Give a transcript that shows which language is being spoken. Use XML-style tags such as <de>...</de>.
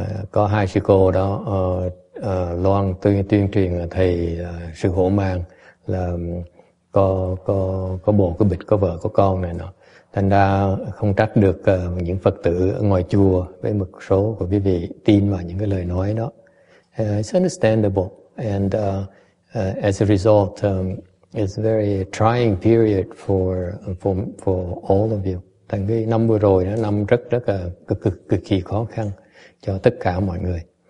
<vi>Có hai sư cô đó loan tuyên truyền thầy sư hổ mang là có bồ, có bịch, có vợ, có con này nọ, thành ra không trách được những Phật tử ở ngoài chùa với một số của quý vị tin vào những cái lời nói đó.</vi> <en>It's understandable, and as a result, it's a very trying period for all of you.</en> <vi>Thành cái năm vừa rồi đó, năm rất là cực kỳ khó khăn cho tất cả mọi người.</vi>